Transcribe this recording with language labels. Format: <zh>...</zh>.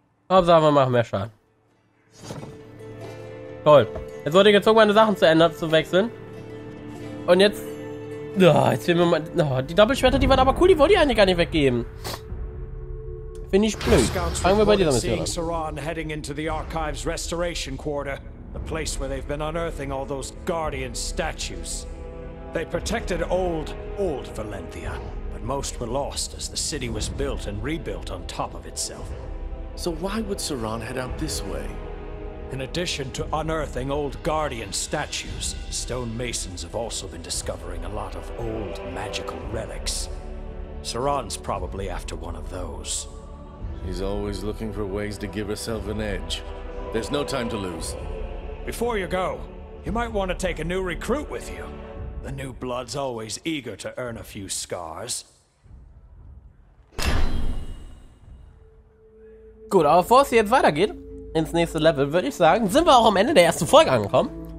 <de>Hauptsache, wir machen mehr Schaden. Toll. Jetzt wurde ich gezwungen, meine Sachen zu ändern, zu wechseln. Und jetzt Jetzt will man mal. Die Doppelschwerter, die waren aber cool, die wollte ich eigentlich gar nicht weggeben. Finde ich blöd. Fangen wir bei dieser Mission an.</de> <en>Saran heading into the Archives Restoration Quarter, the place where they've been unearthing all those Guardian statues. They protected old Valentia, but most were lost as the city was built and rebuilt on top of itself. So why would Saran head out this way? In addition to unearthing old Guardian statues, stonemasons have also been discovering a lot of old magical relics. Saran's probably after one of those. She's always looking for ways to give herself an edge. There's no time to lose. Before you go, you might want to take a new recruit with you. The new blood's always eager to earn a few scars.</en> <de>Gut, aber bevor es jetzt weitergeht, ins nächste Level, würde ich sagen, sind wir auch am Ende der ersten Folge angekommen.</de>